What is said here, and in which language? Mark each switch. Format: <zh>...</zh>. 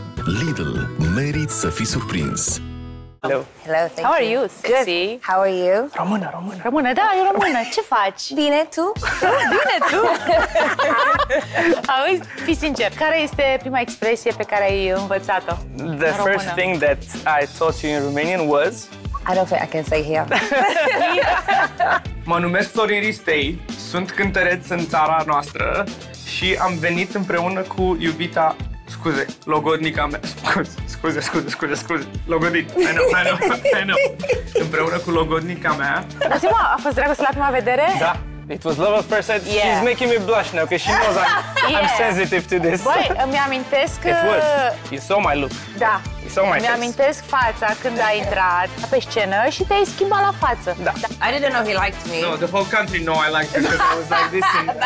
<ro>Lidl, meriți să fii surprins.</ro> <en>Hello. Hello, thank How are you? Good. How are you?</en> <ro>Română, română. Română, da, eu română. Ce faci? Bine, tu? Bine, tu? Auzi, fii sincer, care este prima expresie pe care ai învățat-o?</ro> <en>The first thing that I taught you in Romanian was... I don't think I can say here.</en> <ro>Mă numesc Florin Ristei, sunt cântăreț în țara noastră și am venit împreună cu iubita... Scuze, logodnica mea. Scuze. Logodit.</ro> <en>I know.</en> <ro>Împreună cu logodnica mea. Asimă, a fost dragoste la prima vedere?</ro> <en>Da. It was love at first sight. Yeah. She's making me blush now, because she knows I'm sensitive to this.</en> <ro>Băi, îmi amintesc...</ro> <en>It was. You saw my look.</en> <ro>Da.</ro> <en>You saw my face.</en> <ro>Îmi amintesc fața când ai intrat pe scenă și te-ai schimbat la față. Da.</ro> <en>I didn't know he liked me. No, the whole country know I liked him, because I was like this in...</en>